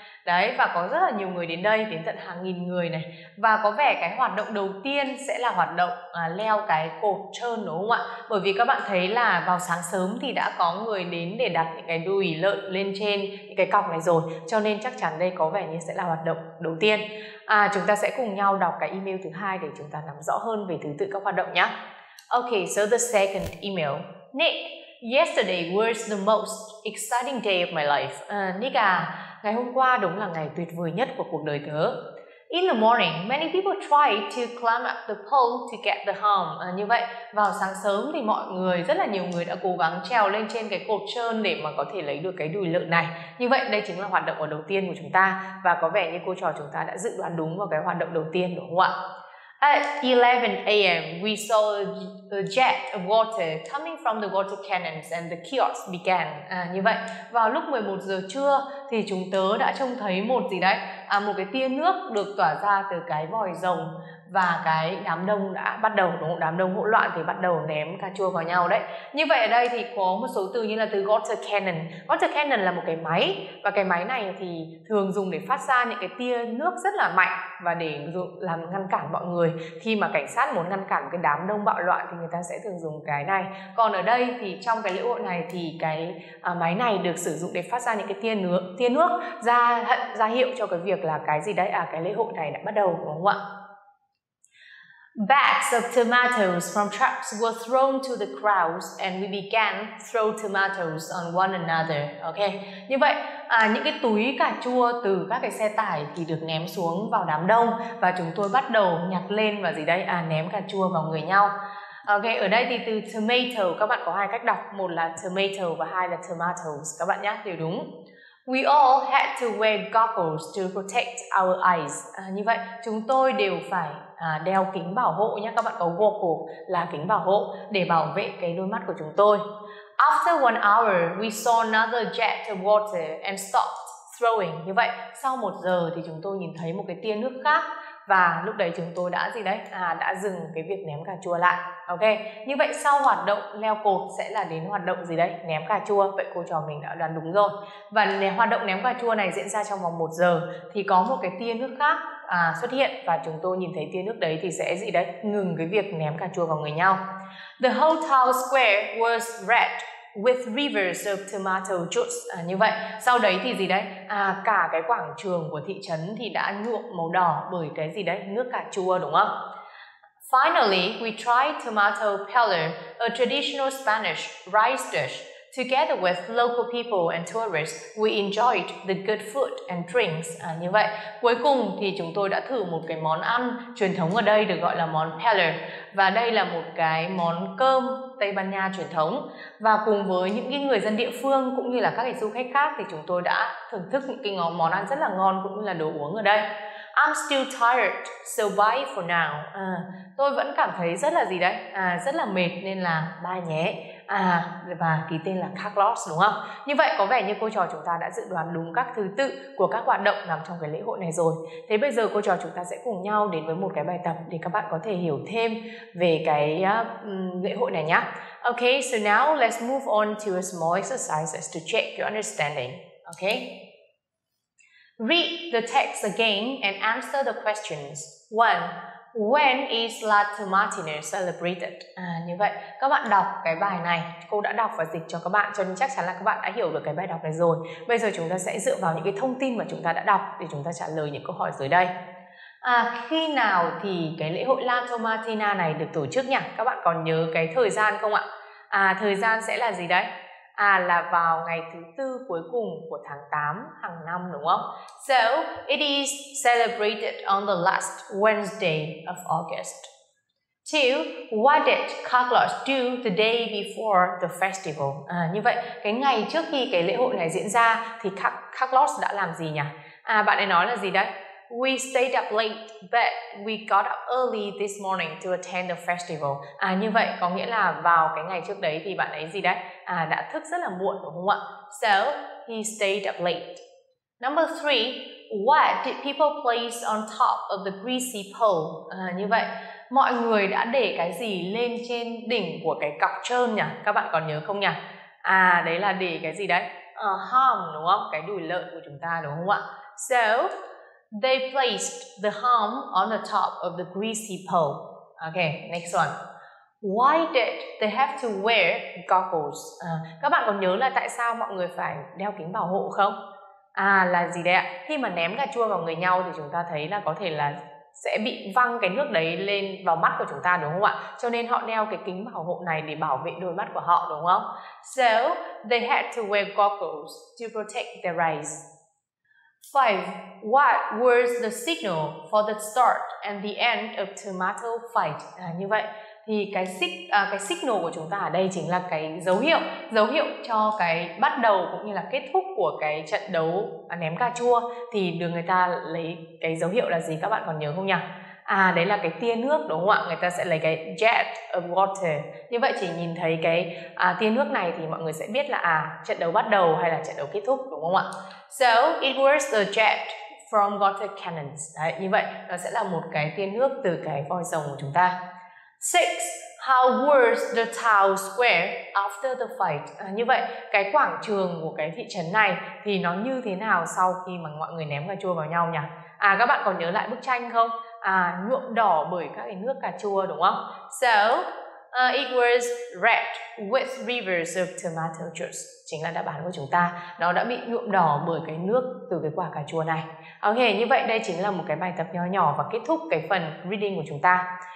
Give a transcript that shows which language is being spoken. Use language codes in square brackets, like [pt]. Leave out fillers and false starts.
[vi] Đấy, và có rất là nhiều người đến đây, đến tận hàng nghìn người này. Và có vẻ cái hoạt động đầu tiên sẽ là hoạt động leo cái cột trơn đúng không ạ? Bởi vì các bạn thấy là vào sáng sớm thì đã có người đến để đặt những cái đùi lợn lên trên những cái cọc này rồi. Cho nên chắc chắn đây có vẻ như sẽ là hoạt động đầu tiên. Chúng ta sẽ cùng nhau đọc cái email thứ hai để chúng ta nắm rõ hơn về thứ tự các hoạt động nhé. [en] Okay, so the second email. Nick, yesterday was the most exciting day of my life. [vi] Nick à, ngày hôm qua đúng là ngày tuyệt vời nhất của cuộc đời tớ. [en] In the morning, many people try to climb up the pole to get the home. [vi] À, như vậy, vào sáng sớm thì mọi người, rất là nhiều người đã cố gắng trèo lên trên cái cột trơn để mà có thể lấy được cái đùi lợn này. Như vậy, đây chính là hoạt động ở đầu tiên của chúng ta. Và có vẻ như cô trò chúng ta đã dự đoán đúng vào cái hoạt động đầu tiên, đúng không ạ? At 11 a.m, we saw a jet of water coming from the water cannons and the kiosks began. À, như vậy, vào lúc 11 giờ trưa thì chúng tớ đã trông thấy một gì đấy? À, một cái tia nước được tỏa ra từ cái vòi rồng và cái đám đông đã bắt đầu, đúng không? Đám đông hỗn loạn thì bắt đầu ném cà chua vào nhau đấy. Như vậy ở đây thì có một số từ như là từ water cannon. Water cannon là một cái máy, và cái máy này thì thường dùng để phát ra những cái tia nước rất là mạnh và để làm ngăn cản mọi người. Khi mà cảnh sát muốn ngăn cản cái đám đông bạo loạn thì người ta sẽ thường dùng cái này. Còn ở đây thì trong cái lễ hội này thì cái máy này được sử dụng để phát ra những cái tia nước ra hiệu cho cái việc là cái gì đấy, à cái lễ hội này đã bắt đầu, đúng không ạ? [en] Bags of tomatoes from trucks were thrown to the crowds and we began throw tomatoes on one another. Okay. [vi] Như vậy, những cái túi cà chua từ các cái xe tải thì được ném xuống vào đám đông và chúng tôi bắt đầu nhặt lên và gì đây? À, ném cà chua vào người nhau. Okay, ở đây thì từ tomato các bạn có hai cách đọc, một là tomato và hai là tomatoes, các bạn nhá, hiểu đúng. [en] We all had to wear goggles to protect our eyes. [vi] Như vậy, chúng tôi đều phải đeo kính bảo hộ nhé. Các bạn có goggles là kính bảo hộ để bảo vệ cái đôi mắt của chúng tôi. [en] After one hour, we saw another jet of water and stopped throwing. [vi] Như vậy, sau một giờ thì chúng tôi nhìn thấy một cái tia nước khác. Và lúc đấy chúng tôi đã gì đấy? Đã dừng cái việc ném cà chua lại. Ok, như vậy sau hoạt động leo cột sẽ là đến hoạt động gì đấy? Ném cà chua. Vậy cô trò mình đã đoán đúng rồi. Và hoạt động ném cà chua này diễn ra trong vòng 1 giờ thì có một cái tia nước khác xuất hiện và chúng tôi nhìn thấy tia nước đấy thì sẽ gì đấy? Ngừng cái việc ném cà chua vào người nhau. [en] The whole town square was red with rivers of tomato juice. [vi] Như vậy, sau đấy thì gì đấy? Cả cái quảng trường của thị trấn thì đã nhuộm màu đỏ bởi cái gì đấy? Nước cà chua, đúng không? [en] Finally, we tried tomato peeler, a traditional Spanish rice dish. Together with local people and tourists, we enjoyed the good food and drinks. [vi] Như vậy, cuối cùng thì chúng tôi đã thử một cái món ăn truyền thống ở đây được gọi là món peeler. Và đây là một cái món cơm Tây Ban Nha truyền thống. Và cùng với những cái người dân địa phương cũng như là các du khách khác thì chúng tôi đã thưởng thức những cái món ăn rất là ngon cũng như là đồ uống ở đây. [en] I'm still tired, so bye for now. [vi] Tôi vẫn cảm thấy rất là gì đấy? Rất là mệt nên là bye nhé. Và ký tên là Carlos, đúng không? Như vậy có vẻ như cô trò chúng ta đã dự đoán đúng các thứ tự của các hoạt động nằm trong cái lễ hội này rồi. Thế bây giờ cô trò chúng ta sẽ cùng nhau đến với một cái bài tập để các bạn có thể hiểu thêm về cái lễ hội này nhé. [en] Okay, so now let's move on to a small exercise to check your understanding. Okay? Read the text again and answer the questions. 1. When is Latin Martinez celebrated? [vi] Như vậy, các bạn đọc cái bài này, cô đã đọc và dịch cho các bạn, cho nên chắc chắn là các bạn đã hiểu được cái bài đọc này rồi. Bây giờ chúng ta sẽ dựa vào những cái thông tin mà chúng ta đã đọc để chúng ta trả lời những câu hỏi dưới đây. Khi nào thì cái lễ hội Latin Martina này được tổ chức nhỉ? Các bạn còn nhớ cái thời gian không ạ? Thời gian sẽ là gì đấy? Là vào ngày thứ tư cuối cùng của tháng 8 hàng năm, đúng không? [en] So, it is celebrated on the last Wednesday of August. 2. What did Carlos do the day before the festival? [vi] Như vậy, cái ngày trước khi cái lễ hội này diễn ra thì Carlos đã làm gì nhỉ? Bạn ấy nói là gì đấy? [en] We stayed up late, but we got up early this morning to attend the festival. [vi] Như vậy có nghĩa là vào cái ngày trước đấy thì bạn ấy gì đấy? Đã thức rất là muộn, đúng không ạ? [en] So, he stayed up late. Number 3, what did people place on top of the greasy pole? [vi] Như vậy, mọi người đã để cái gì lên trên đỉnh của cái cọc trơn nhỉ? Các bạn còn nhớ không nhỉ? Đấy là để cái gì đấy? Hòm, đúng không? Cái đùi lợn của chúng ta, đúng không ạ? [en] So, they placed the hum on the top of the greasy pole. Okay, next one. Why did they have to wear goggles? [vi] Các bạn còn nhớ là tại sao mọi người phải đeo kính bảo hộ không? Là gì đấy ạ? Khi mà ném cà chua vào người nhau thì chúng ta thấy là có thể là sẽ bị văng cái nước đấy lên vào mắt của chúng ta, đúng không ạ? Cho nên họ đeo cái kính bảo hộ này để bảo vệ đôi mắt của họ, đúng không? [en] So, they had to wear goggles to protect their eyes. 5. What was the signal for the start and the end of tomato fight? [vi] À, như vậy thì cái signal của chúng ta ở đây chính là cái dấu hiệu cho cái bắt đầu cũng như là kết thúc của cái trận đấu ném cà chua. Thì được người ta lấy cái dấu hiệu là gì, các bạn còn nhớ không nhỉ? À, đấy là cái tia nước đúng không ạ? Người ta sẽ lấy cái [en] jet of water. [vi] Như vậy chỉ nhìn thấy cái tia nước này thì mọi người sẽ biết là trận đấu bắt đầu hay là trận đấu kết thúc đúng không ạ? [en] So it was a jet from water cannons. [vi] Đấy, như vậy nó sẽ là một cái tia nước từ cái vòi rồng của chúng ta. [en] 6. How was the town square after the fight? [vi] À, như vậy cái quảng trường của cái thị trấn này thì nó như thế nào sau khi mà mọi người ném cà chua vào nhau nhỉ? À, các bạn còn nhớ lại bức tranh không? Nhuộm đỏ bởi các cái nước cà chua đúng không? [en] So, it was red with rivers of tomato juice. [vi] Chính là đáp án của chúng ta. Nó đã bị nhuộm đỏ bởi cái nước từ cái quả cà chua này. Ok, như vậy đây chính là một cái bài tập nhỏ nhỏ và kết thúc cái phần reading của chúng ta.